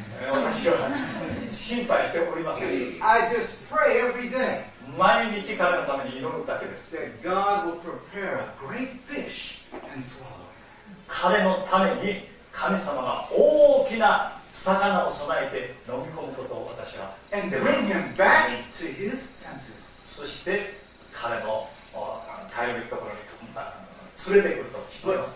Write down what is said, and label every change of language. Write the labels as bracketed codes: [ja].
[ja] 私は心配しておりません。 [en] I just pray every day. [ja] 毎日彼のために祈るだけです。 [en] That God will prepare a great fish and swallow it. [ja] 彼のために神様が大きな魚を備えて飲み込むことを私は。 [en] And bring him back to his senses. [ja] そして彼の頼るところに連れてくると知っています